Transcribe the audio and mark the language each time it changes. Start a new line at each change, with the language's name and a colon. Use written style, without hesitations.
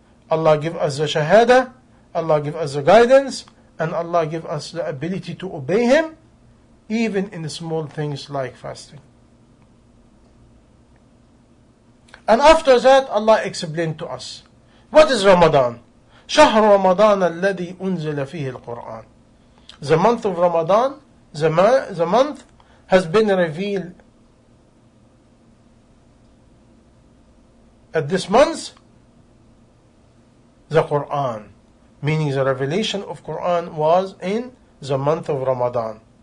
English: Allah give us the shahada, Allah give us the guidance, and Allah give us the ability to obey Him, even in small things like fasting. And after that, Allah explained to us, what is Ramadan?
Arabic: شهر رمضان الذي أنزل فيه القرآن.
English: The month of Ramadan, the month has been revealed at this month, the Quran. Meaning the revelation of Quran was in the month of Ramadan.